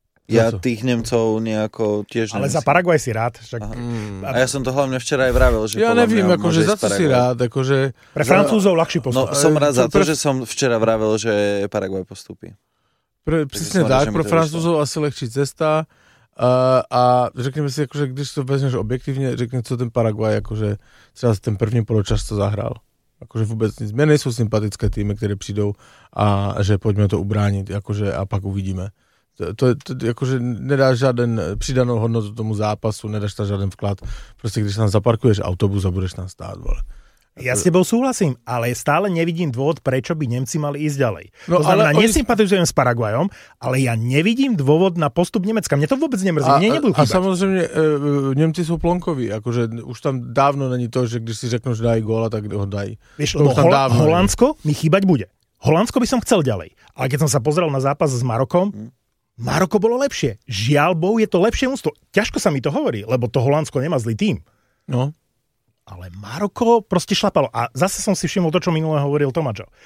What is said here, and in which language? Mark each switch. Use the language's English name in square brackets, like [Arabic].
[Slovak] Ja tých Nemcov nejako tiež neviem. Ale za Paraguaj si rád. Však... A ja som to hlavne včera aj vravil. Že ja neviem, akože za to si rád. Akože... Pre Francúzov ľahší postup. No, som rád za to, že som včera vravil, že Paraguaj postupí. Presne tak, pre Francúzov asi ľahší cesta. [Czech] A řekneme si, akože, když to vezmeš objektívne, řekneme, co ten Paraguaj, akože třeba ten první poločas to zahral. Akože vůbec nic. Mě nejsou sympatické týmy, které přijdou a že pojďme to ubránit, akože, a pak uvidíme. To jakože nedáš žádnou přidanou hodnotu tomu zápasu, nedáš tam žádný vklad. Prostě když tam zaparkuješ autobus a budeš tam stát, vole. [Slovak] Ja s tebou súhlasím, ale stále nevidím dôvod, prečo by Nemci mali ísť ďalej. No, to znamená, nesympatizujem s Paraguajom, ale ja nevidím dôvod na postup Nemecka. Mne to vôbec nemrzí, mne nebudú chýbať. A samozrejme, Nemci sú plonkoví. [Czech] Akože už tam dávno není to, že když si řeknú, že dají gól, tak ho dají. [Slovak] Vieš, no, tam dávno Holandsko nie. Mi chýbať bude. Holandsko by som chcel ďalej. Ale keď som sa pozrel na zápas s Marokom, Maroko bolo lepšie. Žiaľ Bohu, je to lepšie mústvo. Ťažko sa mi to hovorí, lebo to Holandsko nemá zlý tím. No. Ale Maroko proste šlapalo. A zase som si všimol to, čo minule hovoril Tomáčo.